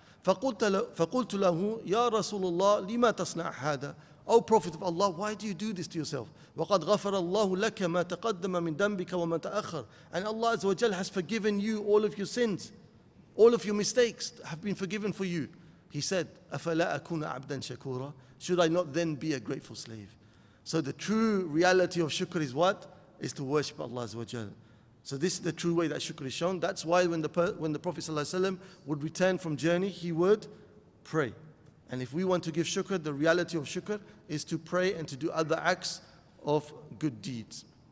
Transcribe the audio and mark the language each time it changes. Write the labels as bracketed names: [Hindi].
[Arabic] فَقُلْتُ لَهُ يَا رَسُولُ اللَّهِ لِمَا تَصْنَعْ هَذَا. [English] O Prophet of Allah, why do you do this to yourself? [Arabic] وَقَدْ غَفَرَ اللَّهُ لَكَ مَا تَقَدَّمَ مِنْ دَنْبِكَ وَمَا تَأَخَرَ. [English] And Allah Azza wa Jal has forgiven you all of your sins. All of your mistakes have been forgiven for you. He said, [Arabic] أَفَلَا أَكُونَ عَبْدًا شَكُورًا. [English] Should I not then be a grateful slave? So the true reality of shukr is what? Is to worship Allah Azza wa Jal. So this is the true way that shukr is shown. That's why when the Prophet ﷺ would return from journey, he would pray. And if we want to give shukr, the reality of shukr is to pray and to do other acts of good deeds.